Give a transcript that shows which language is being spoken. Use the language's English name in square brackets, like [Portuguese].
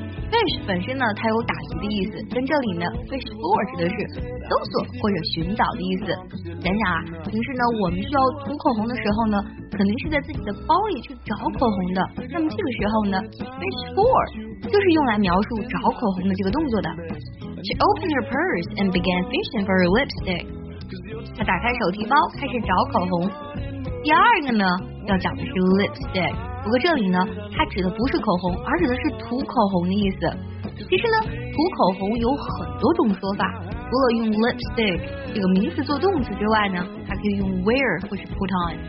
[Chinese] fish 本身呢它有打鱼的意思，跟这里呢 fish for 指的是搜索或者寻找的意思。想想啊，平时呢我们需要涂口红的时候呢，肯定是在自己的包里去找口红的，那么这个时候呢 fish for 就是用来描述找口红的这个动作的。 [English] She opened her purse and began fishing for her lipstick。 [Chinese] 她打开手提包开始找口红。第二个呢要讲的是 lipstick， 不过这里呢它指的不是口红，而指的是涂口红的意思。其实呢涂口红有很多种说法，除了用 lipstick 这个名词做动词之外呢，还可以用 wear 或是 put on。